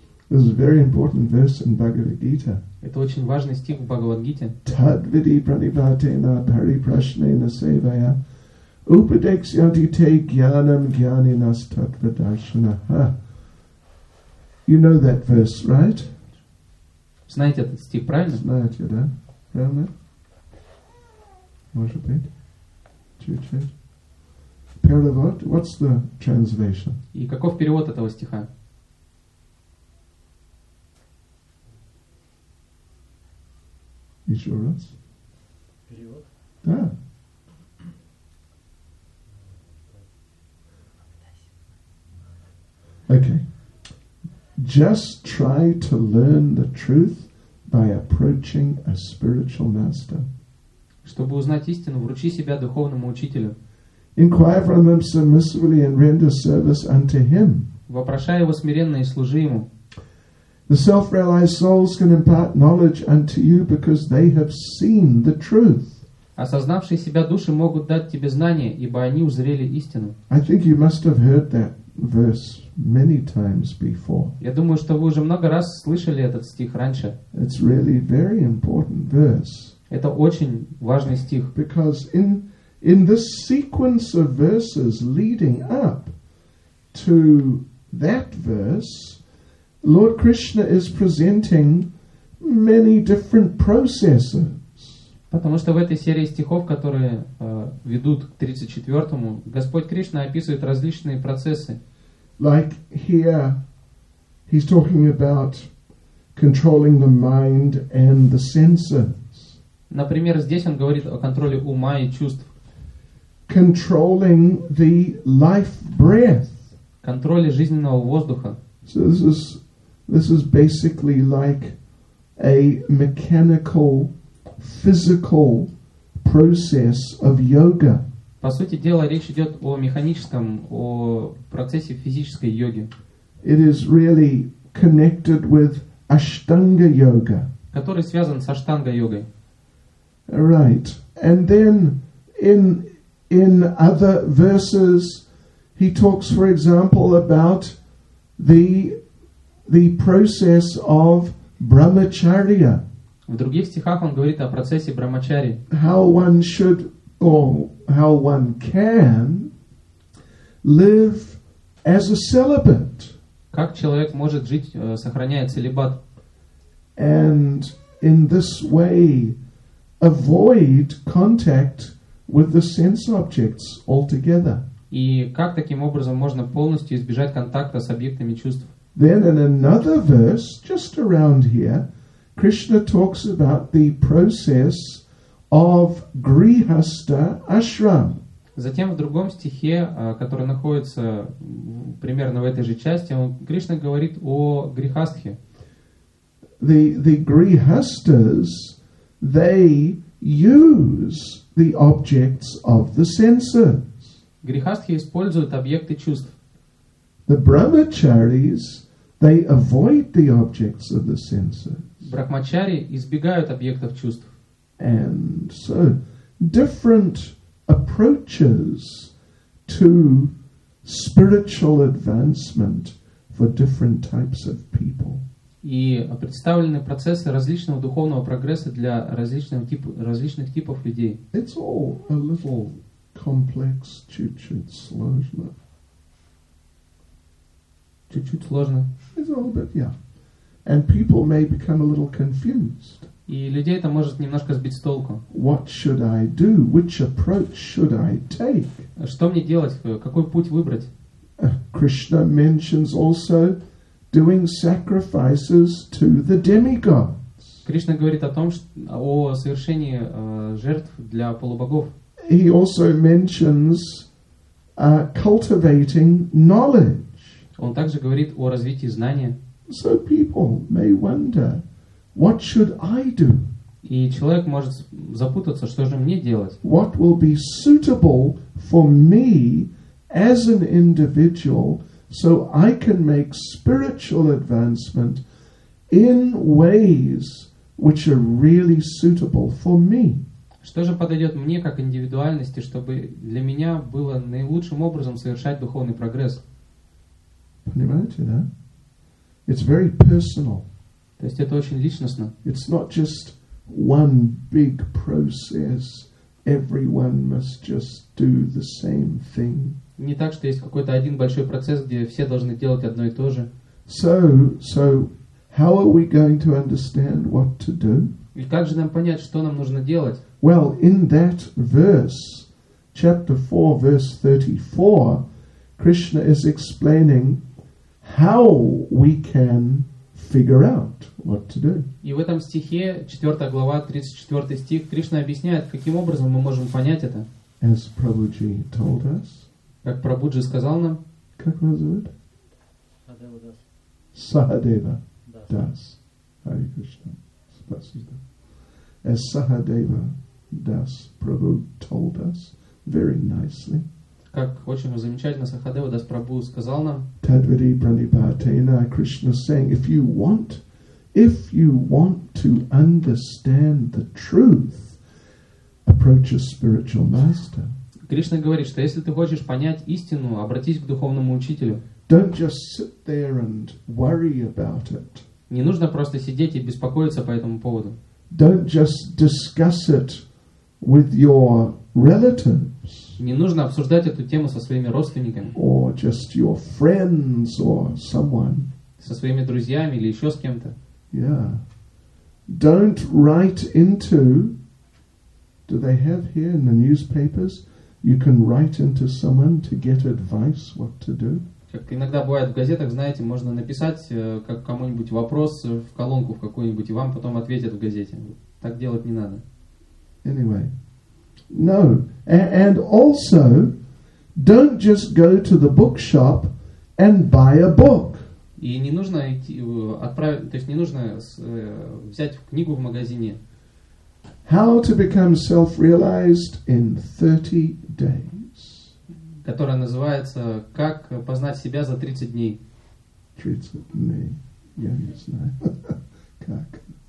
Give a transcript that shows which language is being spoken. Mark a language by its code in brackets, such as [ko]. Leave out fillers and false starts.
[en] This is a very important verse in Bhagavad Gita. [ru] Это очень важный стих в Бхагавад Гите. [sa] Тад види пранибатена парипрашнена севая. Упадексьянти те гьянам гьянинас таттва даршанах. [en] You know that verse, right? [ru] Знаете этот стих, правильно? Знаете, да? Правильно? Может быть? Чуть-чуть. Перевод? [en] What's the translation? [ru] И каков перевод этого стиха? Еще раз. Перевод? Да. [en] Okay. Just try to learn the truth by approaching a spiritual master. [ru] Чтобы узнать истину, вручи себя духовному учителю. [en] Inquire from him submissively and render service unto him. [ru] Вопрошай его смиренно и служи ему. [en] The self-realized souls can impart knowledge unto you because they have seen the truth. [ru] Осознавшие себя души могут дать тебе знания, ибо они узрели истину. [en] I think you must have heard that verse many times before. [ru] Я думаю, что вы уже много раз слышали этот стих раньше. [en] It's really very important verse. [ru] Это очень важный стих. [en] Because in this sequence of verses leading up to that verse, Lord Krishna is presenting many different processes. [ru] Потому что в этой серии стихов, которые ведут к 34-му, Господь Кришна описывает различные процессы. [en] Like here, he's talking about controlling the mind and the senses. [ru] Например, здесь он говорит о контроле ума и чувств. [en] Controlling the life breath. [ru] Контроле жизненного воздуха. [en] So this is basically like a mechanical, physical process of yoga. [ru] По сути дела, речь идет о механическом, о процессе физической йоги. [en] It is really connected with Ashtanga yoga. [ru] Который связан с Аштанга йогой. [en] Right. And then in other verses, he talks, for example, about the process of Brahmacharya. [ru] В других стихах он говорит о процессе Брахмачари. [en] How one should or how one can live as a celibate. [ru] Как человек может жить, сохраняя целибат? [en] And in this way avoid contact with the sense objects altogether. [ru] И как таким образом можно полностью избежать контакта с объектами чувств? [en] Then in another verse, just around here, Krishna talks about the process of grihastha ashram. [ru] Затем в другом стихе, который находится примерно в этой же части, Кришна говорит о грихастхе. [en] The grihasthas, they use the objects of the senses. [ru] Грихастхи используют объекты чувств. [en] The brahmacharis, they avoid the objects of the senses. [ru] Брахмачари избегают объектов чувств. [en] And so, different approaches to spiritual advancement for different types of people. [ru] И представлены процессы различного духовного прогресса для различных типов людей. [en] It's all a little complex, [ru] чуть-чуть сложно. Чуть-чуть сложно. [en] It's all a bit, yeah. And people may become a little confused. [ru] И людей это может немножко сбить с толку. [en] What should I do? Which approach should I take? [ru] Что мне делать? Какой путь выбрать? [en] Krishna mentions also doing sacrifices to the demigods. [ru] Кришна говорит о том, о совершении жертв для полубогов. [en] He also mentions cultivating knowledge. [ru] Он также говорит о развитии знания. [en] So people may wonder, what should I do? [ru] И человек может запутаться, что же мне делать? [en] What will be suitable for me as an individual so I can make spiritual advancement in ways which are really suitable for me. [ru] Что же подойдет мне как индивидуальности, чтобы для меня было наилучшим образом совершать духовный прогресс? Понимаете, да? [en] It's very personal. [ru] То есть это очень личностно. [en] It's not just one big process. Everyone must just do the same thing. [ru] Не так, что есть какой-то один большой процесс, где все должны делать одно и то же. [en] So how are we going to understand what to do? [ru] И как же нам понять, что нам нужно делать? [en] Well, in that verse, chapter 4, verse 34, Krishna is explaining how we can figure out what to do. [ru] И в этом стихе, 4 глава, 34 стих, Кришна объясняет, каким образом мы можем понять это. [en] As Prabhuji told us. [ru] Как Прабуджи сказал нам. Как его зовут? [en] Sahadeva Das. [ru] Sahadeva Das. Hare Krishna. Спасибо. [en] As Sahadeva Das Prabhu told us very nicely. [ru] Как очень замечательно Сахадева Дас Прабху сказал нам. [sa] Тадвиди пранипатена, [en] Krishna saying, if you want to understand the truth, approach a spiritual master. [ru] Кришна говорит, что если ты хочешь понять истину, обратись к духовному учителю. [en] Don't just sit there and worry about it. [ru] Не нужно просто сидеть и беспокоиться по этому поводу. [en] Don't just discuss it with your relatives. [ru] Не нужно обсуждать эту тему со своими родственниками. [en] Or just your friends or someone. [ru] Со своими друзьями или еще с кем-то. [en] Yeah. Don't write into. Do they have here in the newspapers? You can write into someone to get advice what to do. [ru] Как иногда бывает в газетах, знаете, можно написать как кому-нибудь вопрос в колонку в какую-нибудь, и вам потом ответят в газете. Так делать не надо. [en] Anyway. No. And also, don't just go to the bookshop and buy a book. [ru] И не нужно идти, отправить, то есть не нужно взять книгу в магазине. [en] How to become self-realized in 30 days. [ru] Которая называется «Как познать себя за 30 дней». 30 дней. Я не знаю. Как?